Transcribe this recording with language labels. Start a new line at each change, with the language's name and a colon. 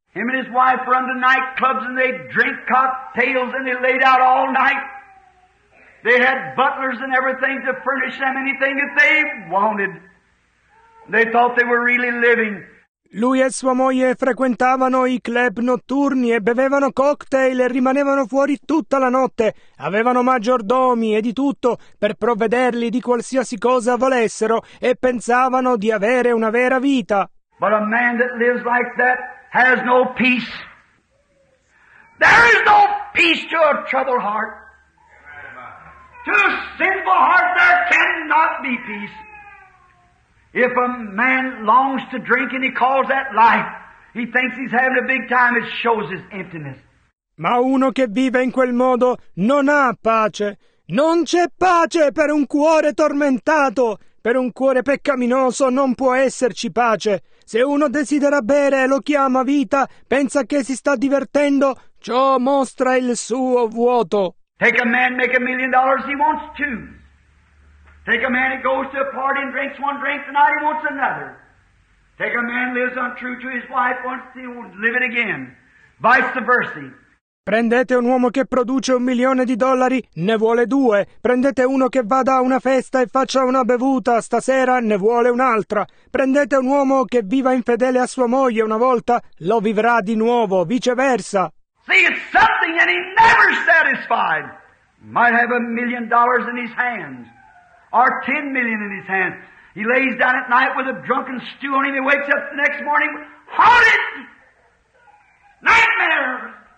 English: Him and his wife were under nightclubs and they drank cocktails and they laid out all night. They had butlers and everything to furnish them anything that they wanted. They thought they were really living.
Italian: Lui e sua moglie frequentavano i club notturni e bevevano cocktail e rimanevano fuori tutta la notte. Avevano maggiordomi e di tutto per provvederli di qualsiasi cosa volessero e pensavano di avere una vera vita.
English: But a man that lives like that has no peace. There is no peace to a troubled heart. To a sinful heart there cannot be peace. If a man longs to drink and he calls that life, he thinks he's having a big time, it shows his emptiness.
Italian: Ma uno che vive in quel modo non ha pace. Non c'è pace per un cuore tormentato. Per un cuore peccaminoso non può esserci pace. Se uno desidera bere e lo chiama vita, pensa che si sta divertendo, ciò mostra il suo vuoto.
English: Take a man, make $1,000,000, he wants two. Take a man, he goes to a party and drinks one drink tonight, he wants another. Take a man, lives untrue to his wife, wants to live it again. Vice versa.
Italian: Prendete un uomo che produce $1,000,000, ne vuole due. Prendete uno che vada a una festa e faccia una bevuta, stasera ne vuole un'altra. Prendete un uomo che viva infedele a sua moglie una volta, lo vivrà di nuovo, viceversa.
English: See, it's something and he's never satisfied. Might have $1,000,000 in his hands, or $10,000,000 in his hands. He lays down at night with a drunken stew on him, he wakes up the next morning, haunted, nightmare.